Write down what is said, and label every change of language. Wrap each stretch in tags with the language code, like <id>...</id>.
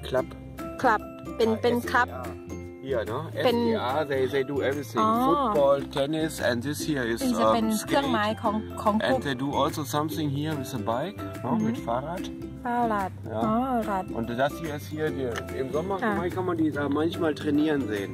<th>club เป็นคลับ</th> <en>Yeah, no. SDR, they do everything. Football, tennis, and this here is skating. And they do also something here with a bike, no? Mm-hmm. With Fahrrad.</en> <de>Fahrrad. Fahrrad. Und das hier ist hier. Im Sommer kann man die da manchmal trainieren sehen.</de>